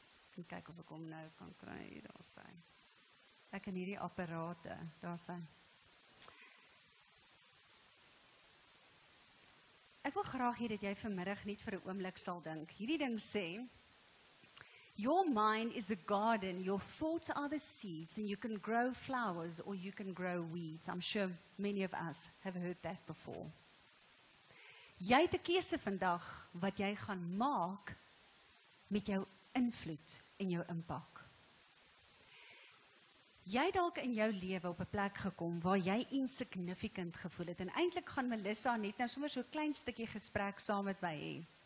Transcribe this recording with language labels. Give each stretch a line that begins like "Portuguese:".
Afrikaans: Ek moet kyk of ek hom nou kan kry, daar sê. Ek in hierdie apparate, daar sê. Ek wil graag hê dat jy vanmiddag net vir 'n oomblik sal dink. Hierdie ding sê,
English: your mind is a garden, your thoughts are the seeds, and you can grow flowers or you can grow weeds. I'm sure many of us have heard that before.
Afrikaans: Jy het 'n keuse vandag wat jy gaan maak met jou invloed en jou impak. Jy het dalk in jou lewe op 'n plek gekom waar jy insignificant gevoel het, en eintlik gaan Melissa net nou sommer so 'n klein stukkie gesprek saam met my hê.